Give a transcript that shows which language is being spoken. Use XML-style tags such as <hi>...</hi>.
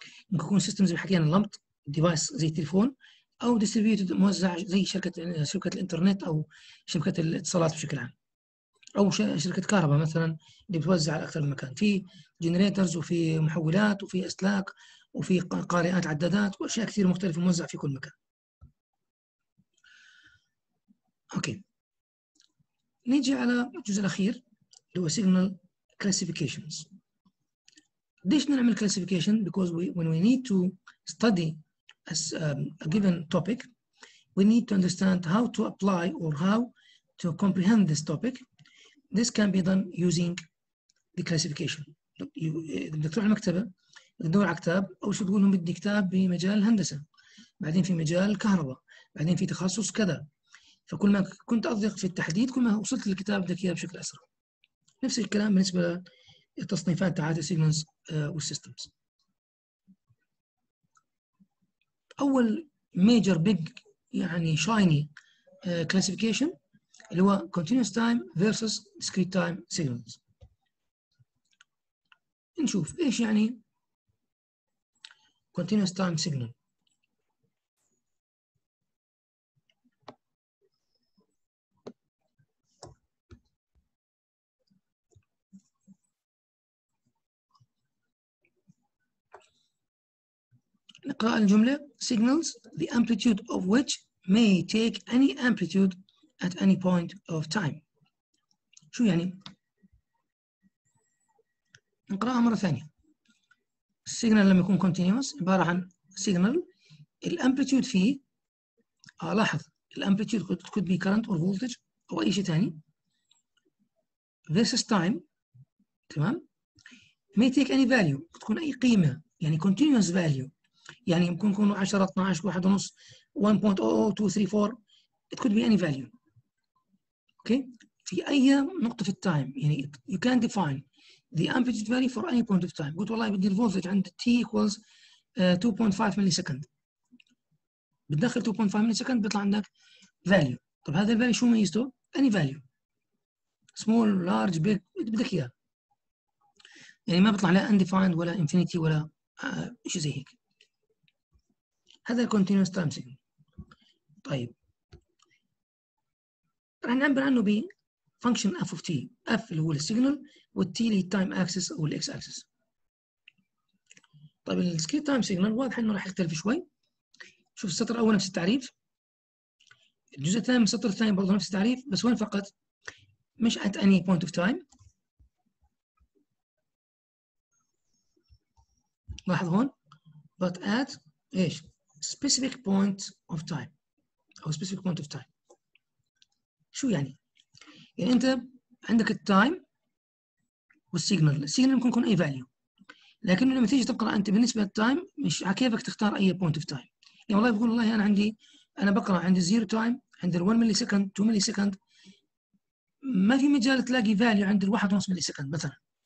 <ar>ممكن يكون systems زي حكينا lumped device زي التليفون، أو distributed موزع زي شركة الإنترنت أو شركة الاتصالات بشكل عام، أو شركة كهرباء مثلا اللي بتوزع على أكثر من مكان، في جنريترز وفي محولات وفي أسلاك وفي قارئات عدادات وأشياء كثير مختلفة موزعة في كل مكان. أوكي نيجي على الجزء الأخير اللي هو signal classifications. ديش نعمل</ar> <en>classification؟ because when we need to study as a given topic we need to understand how to apply or how to comprehend this topic. This can be done using the classification.</en> <ar>بدك تروح المكتبة تدور على كتاب، أول شيء تقول لهم بدي كتاب بمجال الهندسة، بعدين في مجال الكهرباء، بعدين في تخصص كذا، فكل ما كنت أضيق في التحديد كل ما وصلت للكتاب بدك إياه بشكل أسرع. نفس الكلام بالنسبة للتصنيفات تاعت السيجنالز والسيستمز. أول ميجر بيج يعني شايني</ar> <en>classification اللي هو continuous time versus discrete time signals.</en> <ar>نشوف إيش يعني continuous time signal. نقرأ الجملة.</ar> <en>Signals the amplitude of which may take any amplitude at any point of time.</en> <ar>شو يعني؟ نقرأها مرة ثانية. Signal لما يكون continuous عبارة عن signal الامبليتيود فيه لاحظ الامبليتيود</ar> <en>could be current or voltage</en> <ar>أو أي شيء تاني.</ar> <en>This is time.</en> <ar>تمام؟</ar> <en>may take any value</en> <ar>تكون أي قيمة يعني continuous value يعني ممكن يكون 10 12 1 ونص 1.00234</ar> <en>it could be any value.</en> <ar>اوكي في اي نقطه في التايم يعني</ar> <en>you can define the amplitude value for any point of time.</en> <ar>قلت والله بدي الفولتج عند t equals 2.5 ملي سكند بتدخل 2.5 ملي سكند بيطلع عندك value. طب هذا الفاليو شو ميزته؟</ar> <en>any value small large big</en> <ar>بدك اياه يعني ما بيطلع لا undefined ولا infinity ولا شيء زي هيك.</ar> <en>هذا continuous time signal.</en> <ar>طيب رح نعبر عنه ب function f of t. f اللي هو السيجنال والt اللي time axis او الx axis. طيب الdiscrete time signal واضح انه رح يختلف شوي. شوف السطر الاول نفس التعريف الجزء الثاني من السطر الثاني برضه نفس التعريف بس وين فقط مش at any point of time. لاحظ هون but at ايش specific point of time او specific point of time. شو يعني؟ يعني انت عندك التايم والسيجنال. السيجنال ممكن يكون اي فاليو لكنه لما تيجي تقرا انت بالنسبه للتايم مش على كيفك تختار اي بوينت اوف تايم. يعني والله بقول والله انا بقرا عند الزيرو تايم عند ال1 ملي سكند 2 ملي سكند ما في مجال تلاقي فاليو عند ال1 ونص ملي سكند مثلا.</ar>